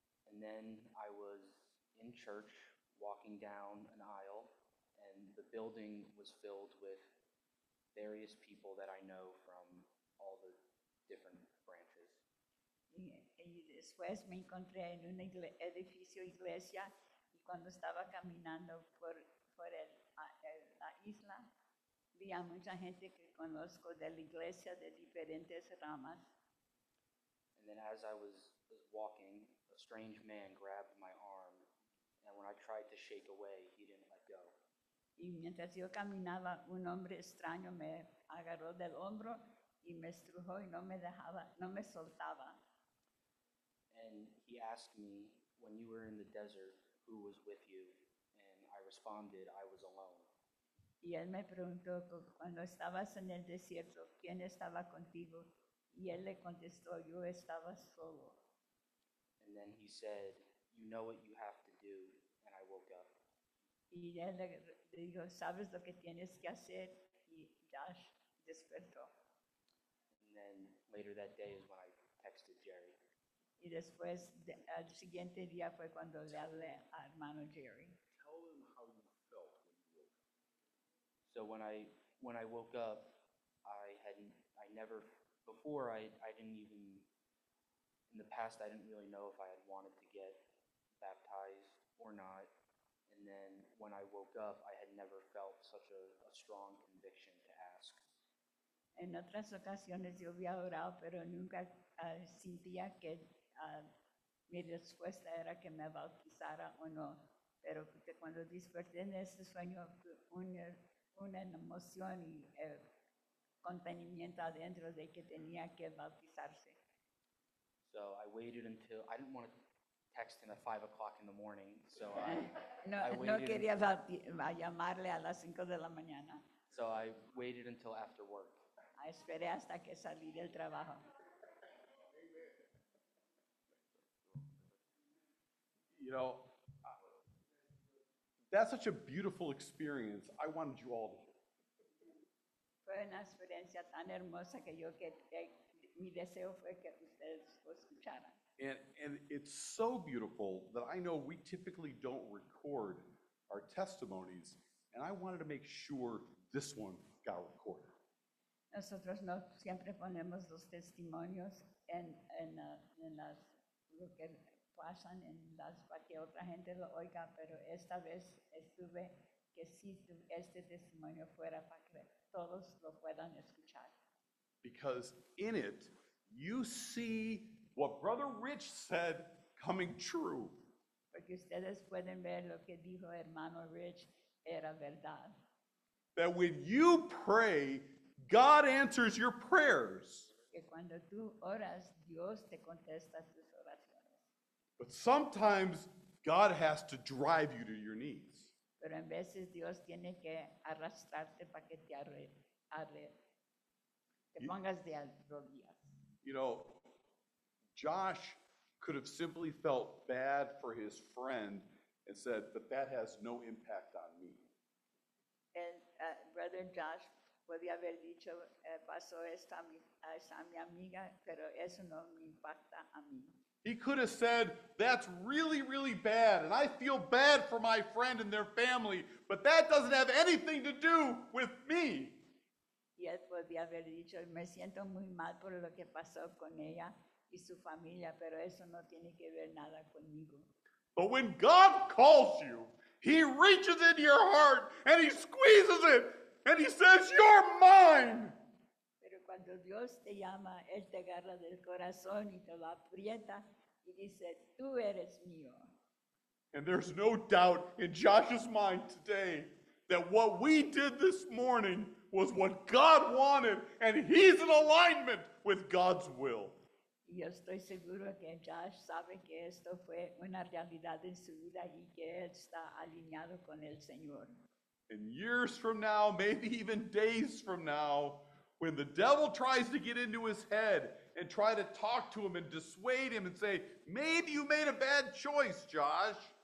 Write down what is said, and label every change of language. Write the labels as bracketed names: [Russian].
[English] And then I was in church, walking down an aisle, and the building was filled with various people that I know from all the different branches. [Spanish] Y después me encontré en un edificio iglesia, y cuando estaba caminando por la isla, vi a mucha gente que conozco de la iglesia de diferentes ramas. [English] And then as I was walking, a strange man grabbed my arm, and when I tried to shake away, he didn't let go. [Spanish] Y mientras yo caminaba, un hombre extraño me agarró del hombro y me estrujó y no me soltaba. [English] And he asked me, when you were in the desert, who was with you? And I responded, I was alone. [Spanish] Y él me preguntó, cuando estabas en el desierto, ¿quién estaba contigo? Y él le contestó, yo estaba solo. [English] And then he said, you know what you have to do, and I woke up. [Spanish] Y él le dijo, ¿sabes lo que tienes que hacer? Y Josh despertó. [English] And then later that day is when I texted Jerry. [Spanish] Y después, el siguiente día fue cuando le hablé a hermano Jerry. [English] Tell him how you felt when you woke up. So when I woke up, I didn't really know if I had wanted to get baptized or not. And then when I woke up, I had never felt such a strong conviction to ask. [Spanish] En otras ocasiones yo había orado, pero nunca sentía que mi respuesta era que me bautizara o no. Pero cuando desperté en ese sueño, una emoción y contenimiento adentro de que tenía que bautizarse. [English] So I waited until, I didn't want to text him at 5 o'clock in the morning, so So I waited until after work. [Spanish] I esperé hasta que salí del trabajo. [English] You know, that's such a beautiful experience. I wanted you all to hear. [Spanish] Fue una experiencia tan hermosa que yo mi deseo fue que ustedes lo escucharan. [English] And it's so beautiful that I know we typically don't record our testimonies, and I wanted to make sure this one got recorded. [Spanish] Nosotros no siempre ponemos los testimonios en las lo que pasan en las para que otra gente lo oiga, pero esta vez estuve que si este testimonio fuera para que todos lo puedan escuchar. [English] Because in it, you see what Brother Rich said coming true. [Spanish] Porque ustedes pueden ver lo que dijo hermano Rich era verdad. [English] That when you pray, God answers your prayers. [Spanish] Que cuando tú oras, Dios te contesta tus oraciones. [English] But sometimes God has to drive you to your knees. [Spanish] Pero en veces Dios tiene que arrastrarte para que te pongas de rodillas. [English] You know, Josh could have simply felt bad for his friend and said, but that has no impact on me. And [Spanish] Brother Josh podía haber dicho, pasó esto a mi amiga, pero eso no me impacta a mí. [English] He could have said, that's really, really bad, and I feel bad for my friend and their family, but that doesn't have anything to do with me. [Spanish] Y él podía haber dicho, me siento muy mal por lo que pasó con ella y su familia, pero eso no tiene que ver nada conmigo. [English] But when God calls you, he reaches into your heart and he squeezes it and he says, "You're mine." [Spanish] Pero cuando Dios te llama, él te agarra del corazón y te lo aprieta y dice, "Tú eres mío." [English] And there's no doubt in Josh's mind today that what we did this morning was what God wanted, and he's in alignment with God's will. [Spanish] Yo estoy seguro que Josh sabe que esto fue una realidad en su vida y que él está alineado con el Señor. [English] And years from now, maybe even days from now, when the devil tries to get into his head and try to talk to him and dissuade him and say, "Maybe you made a bad choice, Josh."